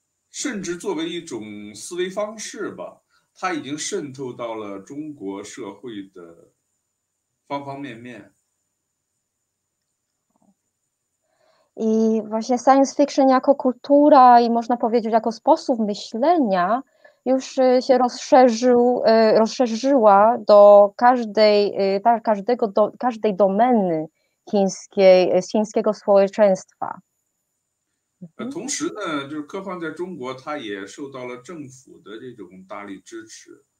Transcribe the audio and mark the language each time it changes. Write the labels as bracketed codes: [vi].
[zh] 甚至作为一种思维方式吧，它已经渗透到了中国社会的方方面面。 [pl] I właśnie science fiction jako kultura i można powiedzieć jako sposób myślenia już się rozszerzyła do każdej domeny chińskiej, z chińskiego społeczeństwa. [zh] 同时呢，就是科幻在中国，它也受到了政府的这种大力支持。